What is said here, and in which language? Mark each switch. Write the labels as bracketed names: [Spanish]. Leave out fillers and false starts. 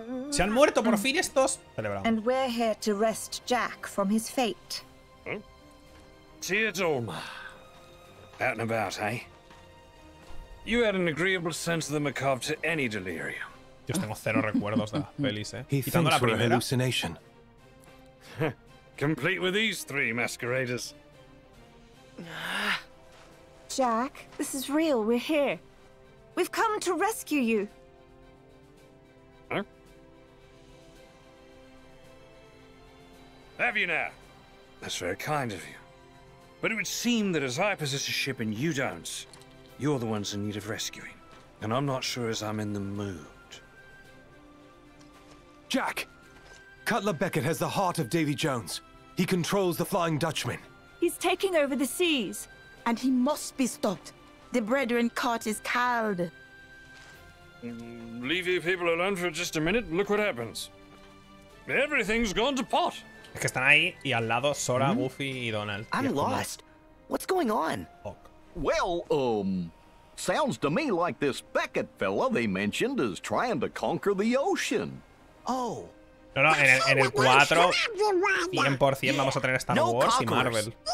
[Spanish] Se han muerto por fin estos. Celebramos. [English] And we're here to rest Jack from his fate. Dear Dolma. Out and about, eh? You had an agreeable sense of the macabre to any delirium. [Spanish] Yo tengo cero recuerdos de la pelis, eh. Quitando la primera. [English] Hallucination. Complete with these three masqueraders. Jack, this is real. We're here. We've come to rescue you. Have you now? That's very kind of you. But it would seem that as I possess a ship and you don't, you're the ones in need of rescuing. And I'm not sure as I'm in the mood. Jack! Cutler Beckett has the heart of Davy Jones. He controls the Flying Dutchman. He's taking over the seas. And he must be stopped. The Brethren caught his cowed. Leave you people alone for just a minute. Look what happens. Everything's gone to pot. [Spanish] Es que están ahí y al lado Sora, Goofy y Donald. [English] I'm lost. What's going on? Well, sounds to me like this Beckett fella they mentioned is trying to conquer the ocean. Oh. [Spanish] No, no, en el 4 100% vamos a tener Star Wars y Marvel.